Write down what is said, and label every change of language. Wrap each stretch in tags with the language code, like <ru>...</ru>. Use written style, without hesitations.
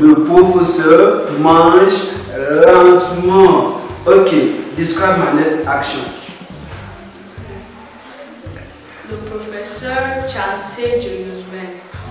<fr>Le professeur mange lentement.</fr> <en>Ok, describe my next action.</en> <fr>Le professeur chante joyeusement.</fr>